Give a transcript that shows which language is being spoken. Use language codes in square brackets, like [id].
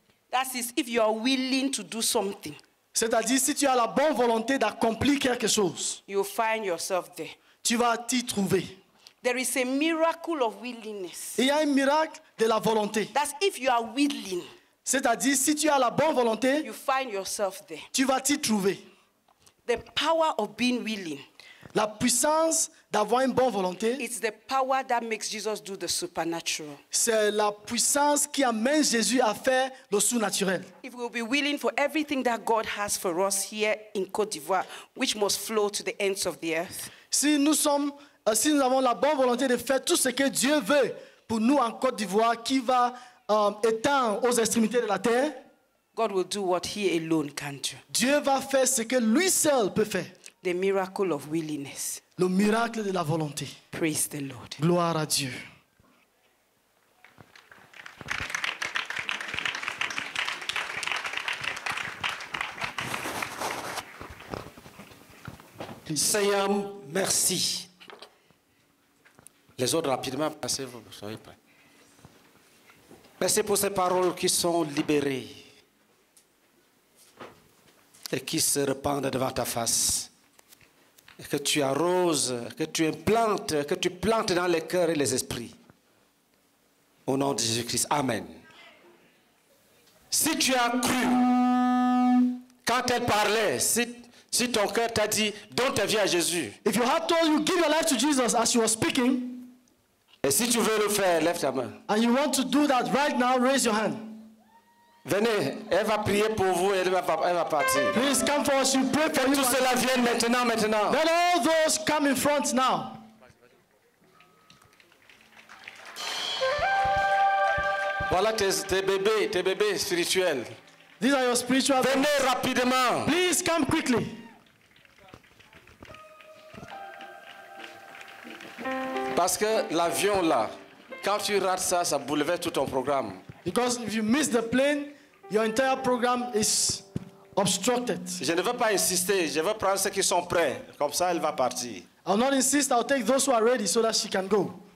[en] That is if you are willing to do something. [fr] C'est-à-dire si tu as la bonne volonté d'accomplir quelque chose. [en] You find yourself there. [fr] Tu vas t'y trouver. [en] There is a miracle of willingness. [fr] Il y a un miracle de la volonté. [en] That's if you are willing. [fr] C'est-à-dire si tu as la bonne volonté, [en] you find yourself there. [fr] Tu vas t'y trouver. [en] The power of being willing. [fr] La puissance d'avoir une bonne volonté. [en] It's the power that makes Jesus do the supernatural. [fr] C'est la puissance qui amène Jésus à faire le surnaturel. [en] If we'll be willing for everything that God has for us here in Côte d'Ivoire, which must flow to the ends of the earth. [fr] Si nous sommes si nous avons la bonne volonté de faire tout ce que Dieu veut pour nous en Côte d'Ivoire, qui va étendre aux extrémités de la terre, [en] God will do what he alone can do. [fr] Dieu va faire ce que lui seul peut faire. [en] The miracle of willingness. [fr] Le miracle de la volonté. [en] Praise the Lord. [fr] Gloire à Dieu. Seigneur, merci. Les autres rapidement, passez-vous, soyez prêts. Merci pour ces paroles qui sont libérées et qui se répandent devant ta face. Et que tu arroses, que tu implantes, que tu plantes dans les cœurs et les esprits. Au nom de Jésus-Christ, amen. Si tu as cru, quand elle parlait, si ton cœur t'a dit, donne ta vie à Jésus. [en] If your heart told you, give your life to Jesus as you were speaking. [fr] Et si tu veux le faire, lève ta main. [en] And you want to do that right now, raise your hand. [fr] Venez, elle va prier pour vous et elle va partir. [en] Please come for us, you pray for [fr] que [en] you. [fr] Tout cela vienne maintenant. [en] Let all those come in front now. [fr] Voilà tes bébés spirituels. [en] These are your spiritual. [fr] Venez rapidement. [en] Please come quickly. [fr] Parce que l'avion là, quand tu rates ça, ça bouleverse tout ton programme. [en] Because if you miss the plane, your entire program is obstructed. [fr] Je ne veux pas insister. Je veux prendre ceux qui sont prêts. Comme ça, elle va partir. [en] I'll not insist. I'll take those who are ready so that she can go.